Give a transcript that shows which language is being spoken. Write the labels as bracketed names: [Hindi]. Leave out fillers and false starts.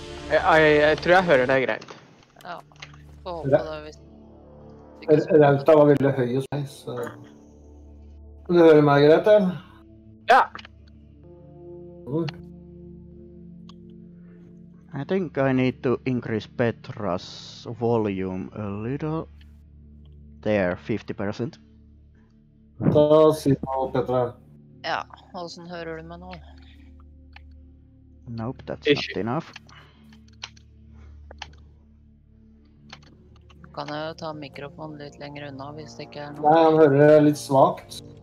[Norwegian] Jeg tror jeg hører deg greit. Ja. Oh, Rauta var veldig høy hos meg, så... Du hører meg greit, eller? Ja. [English] I think I need to increase Petra's volume a little. There, 50%. [Norwegian] Da sier du noe, Petra. Ja, hvordan hører du meg nå? [English] Nope, that's ikke. Not enough. [Norwegian] Kan jeg ta mikrofonen litt lenger unna hvis det ikke er noe? Nei, han hører det litt svagt.